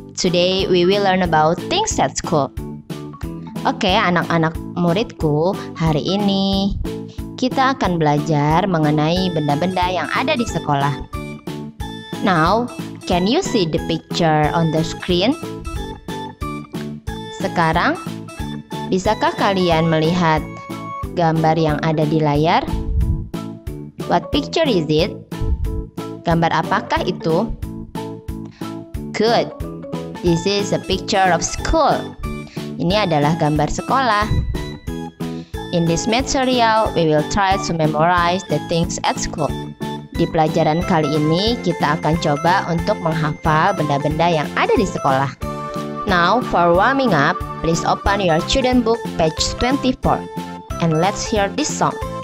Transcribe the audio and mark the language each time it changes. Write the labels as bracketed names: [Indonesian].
[Indonesian] Today we will learn about things at school. Oke, anak-anak muridku, hari ini kita akan belajar mengenai benda-benda yang ada di sekolah. [English] Now, can you see the picture on the screen? [Indonesian] Sekarang, bisakah kalian melihat gambar yang ada di layar? [English] What picture is it? [Indonesian] Gambar apakah itu? [English] Good! This is a picture of school. [Indonesian] Ini adalah gambar sekolah. [English] In this material, we will try to memorize the things at school. [Indonesian] Di pelajaran kali ini, kita akan coba untuk menghafal benda-benda yang ada di sekolah. [English] Now, for warming up, please open your children book page 24 and let's hear this song.